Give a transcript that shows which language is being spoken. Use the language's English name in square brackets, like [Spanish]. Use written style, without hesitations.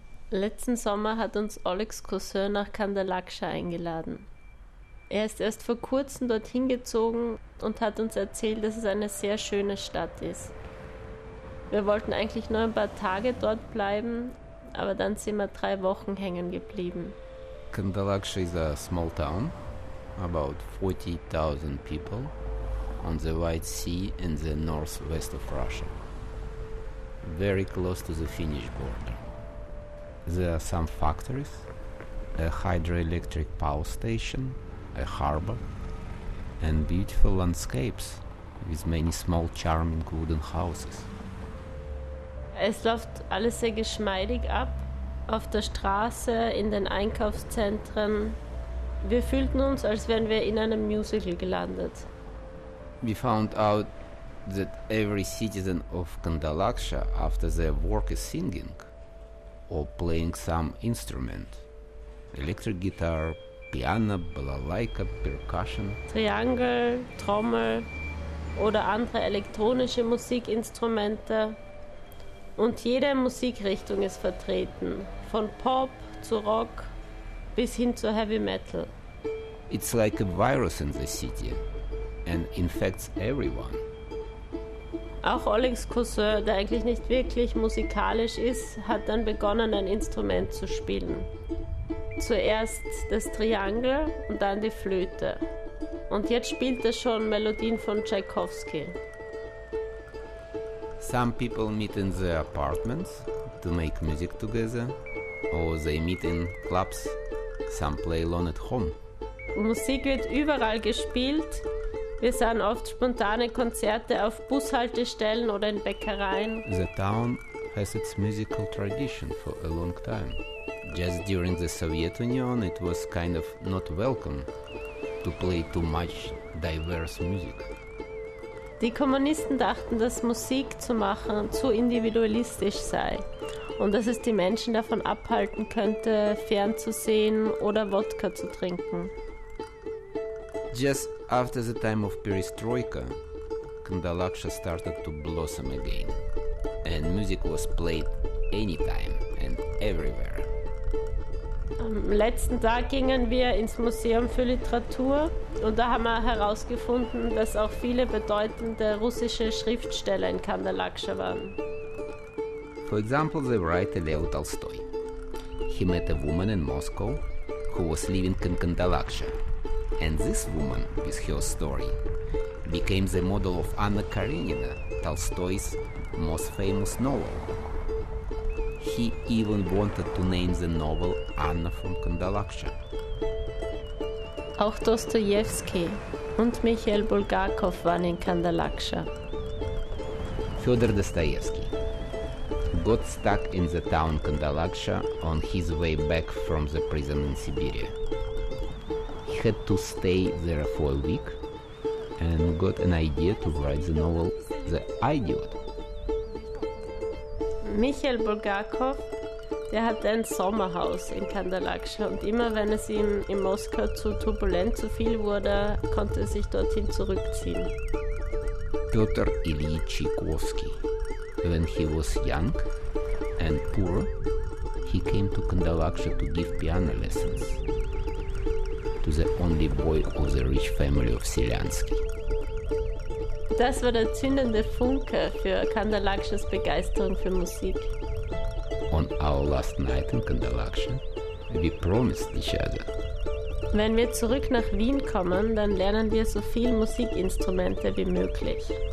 [German] Letzten Sommer hat uns Alex Cousin nach Kandalaksha eingeladen. Er ist erst vor kurzem dorthin gezogen und hat uns erzählt, dass es eine sehr schöne Stadt ist. Wir wollten eigentlich nur ein paar Tage dort bleiben, aber dann sind wir 3 Wochen hängen geblieben. [English] Kandalaksha is a small town, about 40,000 people, on the White Sea in the northwest of Russia. Very close to the Finnish border. There are some factories, a hydroelectric power station, a harbor, and beautiful landscapes with many small charming wooden houses. [German] Es läuft alles sehr geschmeidig ab, auf der Straße, in den Einkaufszentren. Wir fühlten uns, als wären wir in einem Musical gelandet. [English] We found out that every citizen of Kandalaksha after their work is singing or playing some instrument. Electric guitar, piano, balalaika, percussion. [German] Triangel, Trommel oder andere elektronische Musikinstrumente. Und jede Musikrichtung ist vertreten. Von Pop zu Rock bis hin zu Heavy Metal. [English] It's like a virus in the city and infects everyone. [German] Auch Alex Cousin, der eigentlich nicht wirklich musikalisch ist, hat dann begonnen, ein Instrument zu spielen. Zuerst das Triangel und dann die Flöte. Und jetzt spielt er schon Melodien von Tchaikovsky. [English] Some people meet in their apartments to make music together, or they meet in clubs, some play alone at home. [German] Musik wird überall gespielt. Wir sahen oft spontane Konzerte auf Bushaltestellen oder in Bäckereien. [English] The town has its musical tradition for a long time. Just during the Soviet Union, it was kind of not welcome to play too much diverse music. [German] Die Kommunisten dachten, dass Musik zu machen zu individualistisch sei und dass es die Menschen davon abhalten könnte, fernzusehen oder Wodka zu trinken. [English] Just after the time of Perestroika, Kandalaksha started to blossom again. And music was played anytime and everywhere. [German] Am letzten Tag gingen wir ins Museum für Literatur und da haben wir herausgefunden, dass auch viele bedeutende russische Schriftsteller in Kandalaksha waren. [English] For example, the writer Leo Tolstoy. He met a woman in Moscow who was living in Kandalaksha. And this woman, with her story, became the model of Anna Karenina, Tolstoy's most famous novel. He even wanted to name the novel Anna from Kandalaksha. [German] Auch Dostoevsky und Michael Bulgakov waren in Kandalaksha. [English] Fyodor Dostoevsky got stuck in the town Kandalaksha on his way back from the prison in Siberia. He had to stay there for a week and got an idea to write the novel The Idiot. [German] Michael Bulgakov, der hatte ein Sommerhaus in Kandalaksha und immer wenn es ihm in Moskau zu turbulent zu viel wurde, konnte er sich dorthin zurückziehen. [English] Pyotr Ilyich Tchaikovsky, when he was young and poor, he came to Kandalaksha to give piano lessons to the only boy of the rich family of Selyansky. [German] Das war der zündende Funke für Kandalakshas Begeisterung für Musik. [English] On our last night in Kandalaksha, we promised each other. [German] Wenn wir zurück nach Wien kommen, dann lernen wir so viele Musikinstrumente wie möglich.